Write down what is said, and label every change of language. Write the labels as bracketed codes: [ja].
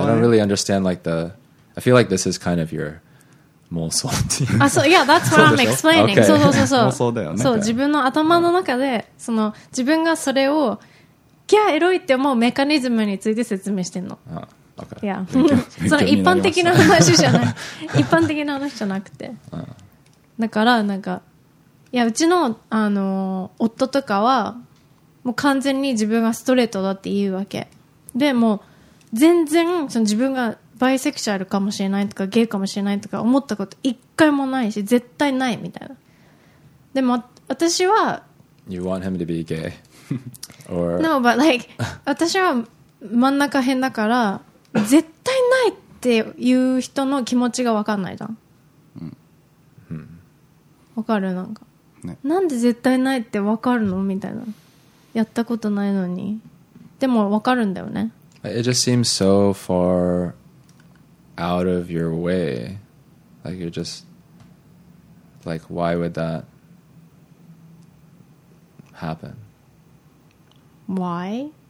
[en] は I don't really understand like the I feel like this is kind of your 妄想っていう。 [ja] あ、そう、いや、 [en] that's what I'm explaining. [ja] そうそうそうそう。妄想だよね。そう、自分の頭の中で、その、自分がそれを、ギャーエロいって思うメカニズムについて説明してんの。あ、OK。いや、その一般的な話じゃない。一般的な話じゃなくて。だから、なんか、いや、うちの、夫とかは、もう完全に自分がストレートだって言うわけ。でも、全然、その自分が、バイセクシャルかもしれないとかゲイかもしれないとか思ったこと一回もないし絶対ないみたいな。でも私は [en] You want him to be gay? Or... [ja] No, but like 私は真ん中辺だから絶対ないっていう人の気持ちが分かんないじゃん。分かる、なんか、ね、なんで絶対ないって分かるのみたいな。やったことないのに。でも分かるんだよね。 [en] It just seems so farOut of your way, like you're just like, why would that happen? Why?